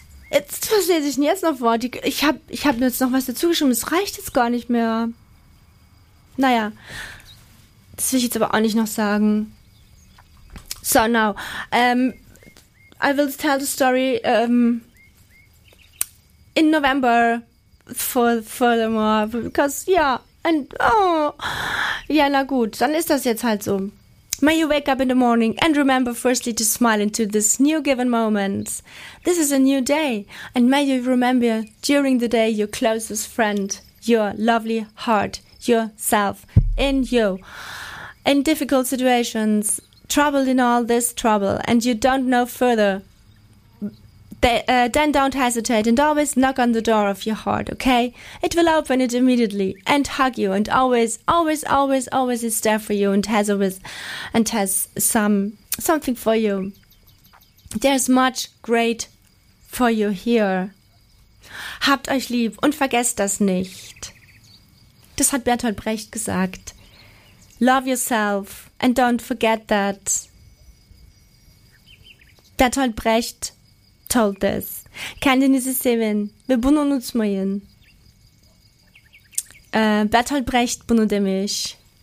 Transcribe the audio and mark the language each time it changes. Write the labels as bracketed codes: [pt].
[de] Jetzt verstehe ich jetzt noch Wort. Ich hab jetzt noch was dazu geschrieben. Es reicht jetzt gar nicht mehr. Naja, das will ich jetzt aber auch nicht noch sagen. [en] So, now, I will tell the story in November furthermore, because, yeah. [de] And, oh, ja, na gut, dann ist das jetzt halt so. [en] May you wake up in the morning and remember firstly to smile into this new given moment. This is a new day. And may you remember during the day your closest friend, your lovely heart, yourself, in you. In difficult situations, troubled in all this trouble, and you don't know further, then don't hesitate and always knock on the door of your heart, okay? It will open it immediately and hug you and always, always, always, always is there for you and has something for you. There's much great for you here. [de] Habt euch lieb und vergesst das nicht. Das hat Bertolt Brecht gesagt. [en] Love yourself and don't forget that. Bertolt Brecht told this. [tr] Kendini sevin ve bunu unutmayın. Bertolt Brecht bunu demiş.